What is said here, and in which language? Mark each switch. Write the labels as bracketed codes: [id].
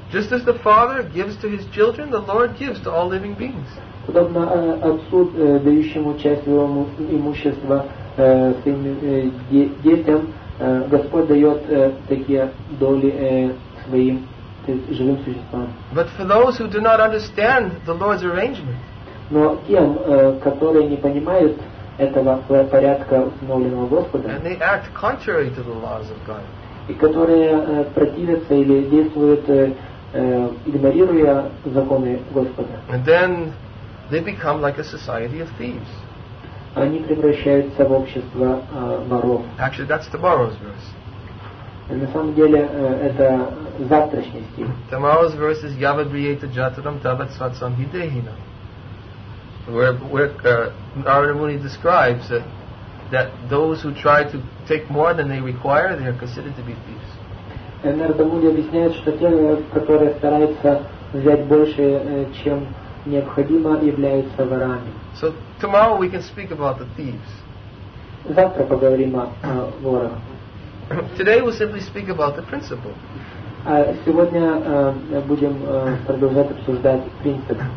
[en] Just as the Father gives to His children, the Lord gives to all living beings. [ru] Подобно отцу, дающему часть своего имущества своим детям, Господь дает такие доли своим живым существам. [en] But for those who do not understand the Lord's arrangement, [ru] но тем, которые не понимают этого порядка установленного Господа, [en] and they act contrary to the laws of God, [ru] и которые противятся или действуют, игнорируя законы Господа, [en] and then they become like a society of thieves. [ru] Они превращаются в общество воров. [en] Actually, that's tomorrow's verse. [ru] И на самом деле это завтрашний стих. [en] Tomorrow's verse is [sa] Yavad Briyeta Jataram Tavat Satsam Hidehina. [en] Narada Muni describes that those who try to take more than they require, they are considered to be thieves. [ru] Narada Muni объясняет, что те, которые стараются взять больше, чем необходимо, являются ворами. [en] So tomorrow we can speak about the thieves. [ru] Завтра поговорим о ворах. [en] Today we'll simply speak about the principle. [ru] Сегодня будем продолжать обсуждать принцип.